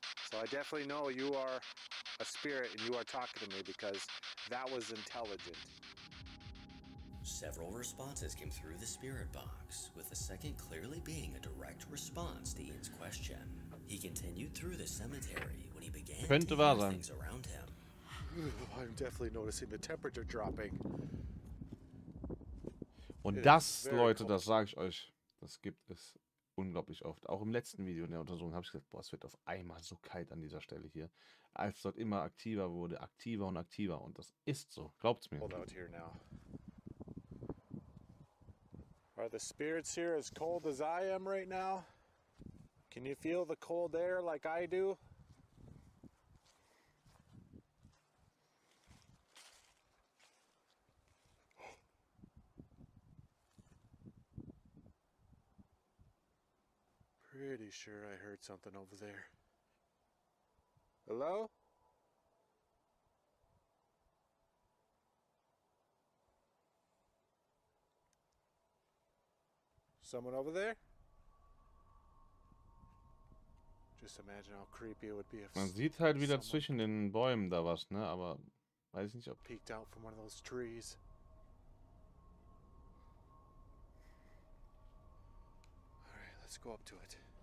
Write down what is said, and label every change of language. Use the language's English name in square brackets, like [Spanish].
[English] So I definitely know you are a spirit and you are talking to me because that was intelligent. Several responses came through the spirit box, with the second clearly being a direct response to Ian's question. He continued through the cemetery when he began to hear things around him. I'm definitely noticing the temperature dropping. [German] Und das, Leute, das sage ich euch, das gibt es unglaublich oft. Auch im letzten Video in der Untersuchung habe ich gesagt, boah, es wird auf einmal so kalt an dieser Stelle hier. Als dort immer aktiver wurde, aktiver und aktiver. Und das ist so, glaubt's mir. [English] Hold out here now. Are the spirits here as cold as I am right now? Can you feel the cold air like I do? Pretty sure I heard something over there. Hello? Someone over there? Just imagine how creepy it would be if [German] man sieht halt wieder zwischen den Bäumen da was, ne? Aber weiß ich nicht, ob [English] peeked out from one of those trees. All right, let's go up to it.